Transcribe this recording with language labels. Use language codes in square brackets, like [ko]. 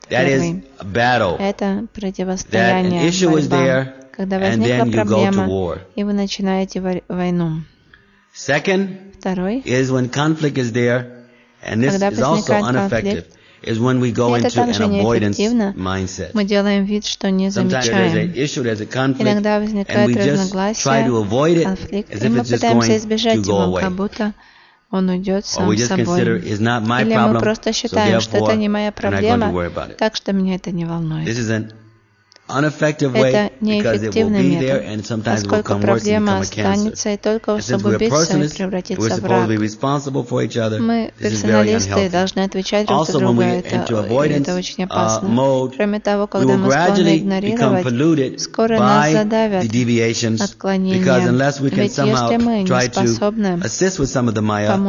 [en] That is a battle. That an issue is there, and then you go to war. Second is when conflict is there, and this is also ineffective. is when we go into an avoidance mindset. [ru] Мы делаем вид, что не замечаем. Иногда возникает разногласие, конфликт, и мы пытаемся избежать его, как будто он уйдет сам собой. Или мы просто считаем, что это не моя проблема, так что меня это не волнует. [en] Unaffected way, because it will be there, and sometimes will come worse and become a cancer. And since we are personalists, we're supposed to be responsible for each other. This is very unhealthy. Also, when we enter into avoidance mode, we will gradually become polluted by the deviations, because unless we can somehow try to assist with some of the maya,